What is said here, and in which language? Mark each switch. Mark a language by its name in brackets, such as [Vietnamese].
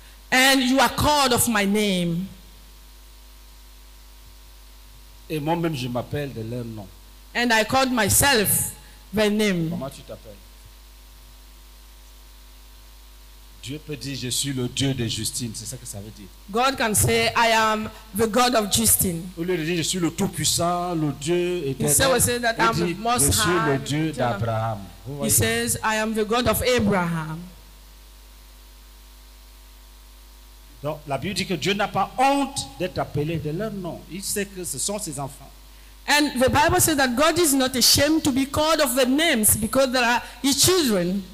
[English] And you are called of my name. [French] Et moi-même, je m'appelle de leur nom. [English] And I called myself their name. [French] Comment tu t'appelles? Dieu peut dire, je suis le Dieu de Justine. C'est ça que ça veut dire. [English] God can say, I am the God of Justine. [French] Au lieu de dire, je suis le Tout-Puissant, le Dieu éternel. [English] He said that I'm the Most High. [French] Je suis le Dieu d'Abraham. [English] He says, I am the God of Abraham. [French] Donc, la Bible dit que Dieu n'a pas honte d'être appelé de leur nom. Il sait que ce sont ses enfants. [English] And the Bible says that God is not ashamed to be called of the names because they are his children.